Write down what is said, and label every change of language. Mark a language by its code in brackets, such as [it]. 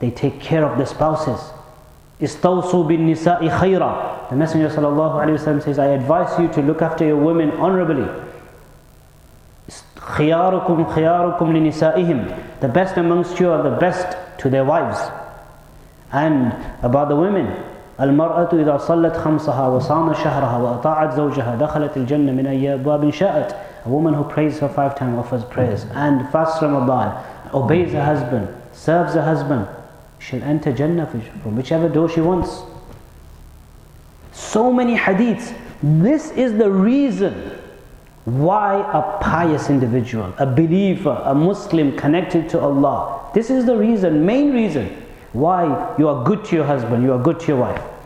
[en] They take care of the spouses. [ar] Istawsu bin nisa'i khayra. [en] The Messenger sallallahu alaihi wasallam says, I advise you to look after your women honorably. [ar] Khiyarukum khiyarukum li nisa'ihim. [en] The best amongst you are the best to their wives. And about the women, [ar] المرأة إذا صلت خمسها وصام شهرها وأطاعت زوجها دخلت الجنة من أي باب شاءت. [en] A woman who prays her 5 times, offers prayers, and fasts Ramadan, obeys her husband, serves her husband, she'll enter Jannah from whichever door she wants. So many hadiths. This is the reason why a pious individual, a believer, a Muslim connected to Allah, this is the reason, main reason, why you are good to your husband, you are good to your wife.